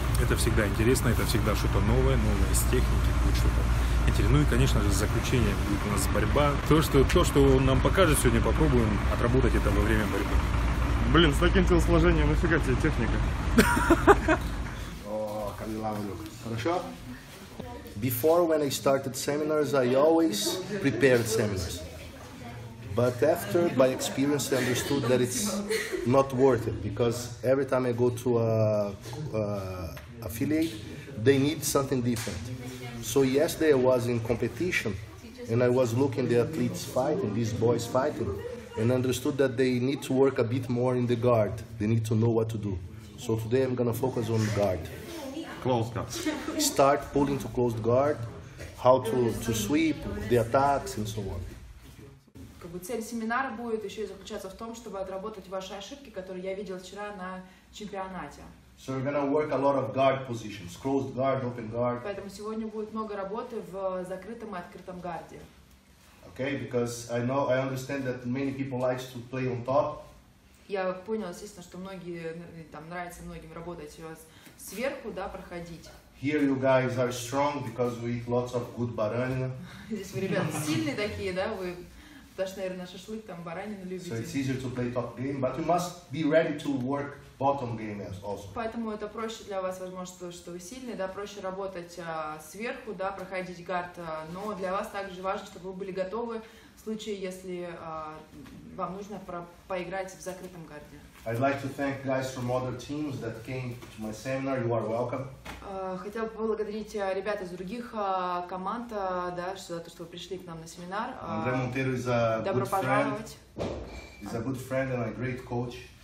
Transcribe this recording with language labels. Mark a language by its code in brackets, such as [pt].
[ru] Это всегда интересно, это всегда что-то новое, новое из техники, будет что-то интересное. Ну и, конечно же, заключение будет у нас борьба. То, что он нам покажет сегодня, попробуем отработать это во время борьбы. Блин, с таким телосложением нафига тебе техника? О, Камилавлю. Хорошо? [en] Before, when I started seminars, I always prepared seminars. But after, by experience, I understood that it's not worth it, because every time I go to an affiliate, they need something different. So yesterday I was in competition, and I was looking at the athletes fighting, these boys fighting, and understood that they need to work a bit more in the guard. They need to know what to do. So today I'm gonna focus on guard. Closed guard. Start pulling to closed guard, how to sweep, the attacks and so on. [ru] Как бы цель семинара будет еще и заключаться в том, чтобы отработать ваши ошибки, которые я видел вчера на чемпионате. [en] So we're gonna work a lot of guard positions, closed guard, open guard. [ru] Поэтому сегодня будет много работы в закрытом и открытом гарде. [en] Okay, because I understand that many people like to play on top. [ru] Я понял, естественно, что многие там нравится многим работать у вас сверху, да, проходить. [en] Here you guys are strong because we eat lots of good баранина. [ru] Здесь вы, ребята, сильные такие, да, вы, потому что, наверное, шашлык там баранину любите. [en] So it's easier to play top game, but you must be ready to work bottom game also. [ru] Поэтому это проще для вас, возможно, что вы сильные, да, проще работать сверху, да, проходить гард, но для вас также важно, чтобы вы были готовы в случае, если вам нужно поиграть в закрытом гарде. [en] I'd like to thank guys from other teams that came to my seminar. You are welcome. [ru] Хотел бы поблагодарить ребят из других команд, да, за то, что вы пришли к нам на семинар. [en] Андре Монтеро is a good friend. He's a good friend and a great coach.